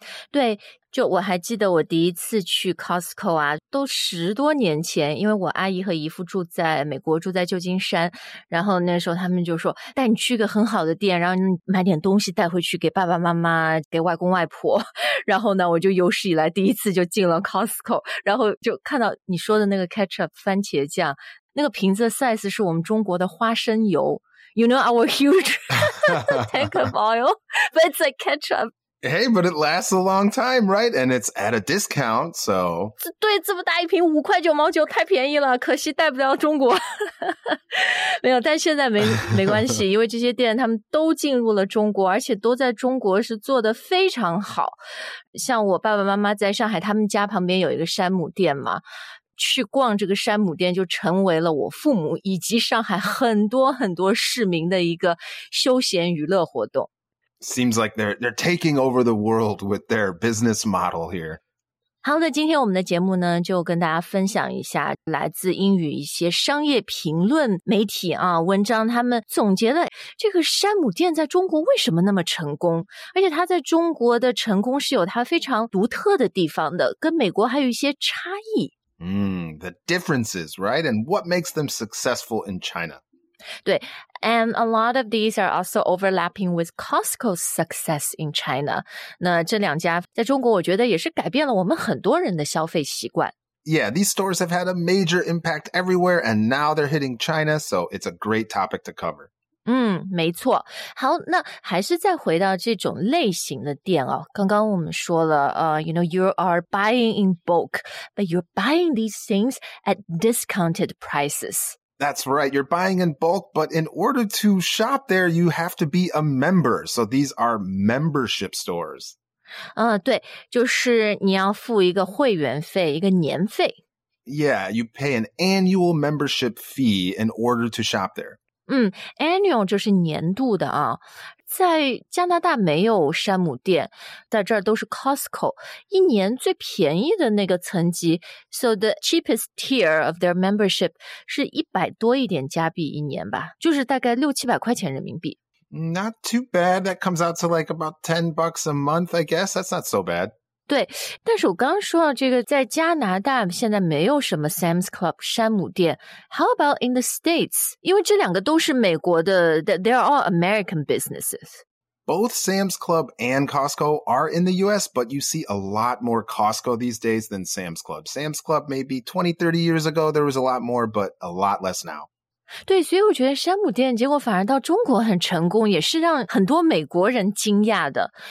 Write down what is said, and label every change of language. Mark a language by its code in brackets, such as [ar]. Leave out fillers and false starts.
[zh] 对，就我还记得我第一次去 Costco 啊，都十多年前，因为我阿姨和姨父住在美国，住在旧金山，然后那时候他们就说，带你去个很好的店，然后你买点东西带回去给爸爸妈妈，给外公外婆，然后呢，我就有史以来第一次就进了 Costco, 然后就看到你说的那个 ketchup 番茄酱，那个瓶子的 size 是我们中国的花生油 ， [en] you know our huge tank of oil, but it's like ketchup. Hey, but it lasts a long time, right? And it's at a discount, so... [zh] 对，这么大一瓶5.99块，太便宜了，可惜带不到中国。没有，但现在没关系，因为这些店他们都进入了中国，而且都在中国是做得非常好。像我爸爸妈妈在上海，他们家旁边有一个山姆店嘛，去逛这个山姆店就成为了我父母以及上海很多很多市民的一个休闲娱乐活动。 [en] Seems like they're taking over the world with their business model here. [zh] 好的，今天我们的节目呢，就跟大家分享一下来自英语一些商业评论媒体啊文章，他们总结了这个山姆店在中国为什么那么成功，而且它在中国的成功是有它非常独特的地方的，跟美国还有一些差异。 [en] The differences, right? And what makes them successful in China? 对 ,and a lot of these are also overlapping with Costco's success in China. [zh] 那这两家在中国我觉得也是改变了我们很多人的消费习惯。 [en] Yeah, these stores have had a major impact everywhere and now they're hitting China, so it's a great topic to cover. [zh] 嗯，没错。好，那还是再回到这种类型的店哦。刚刚我们说了 [en] you know, you are buying in bulk, but you're buying these things at discounted prices. That's right, you're buying in bulk, but in order to shop there, you have to be a member. So these are membership stores. [zh] 对，就是你要付一个会员费，一个年费。 [en] Yeah, you pay an annual membership fee in order to shop there. [zh] Annual 就是年度的啊。在加拿大没有山姆店，在这儿都是 Costco, 一年最便宜的那个层级 , [en] so the cheapest tier of their membership [zh] 是100多一点加币一年吧，就是大概600-700块钱人民币。 [en] Not too bad, that comes out to like about 10 bucks a month, I guess, that's not so bad. [zh] 对，但是我刚刚说到这个在加拿大现在没有什么 Sam's Club, 山姆店。 [en] How about in the States? [zh] 因为这两个都是美国的 [en] ,they're all American businesses. Both Sam's Club and Costco are in the US, but you see a lot more Costco these days than Sam's Club. Sam's Club maybe 20, 30 years ago, there was a lot more, but a lot less now. [zh] 对，所以我觉得山姆店结果反而到中国很成功，也是让很多美国人惊讶的。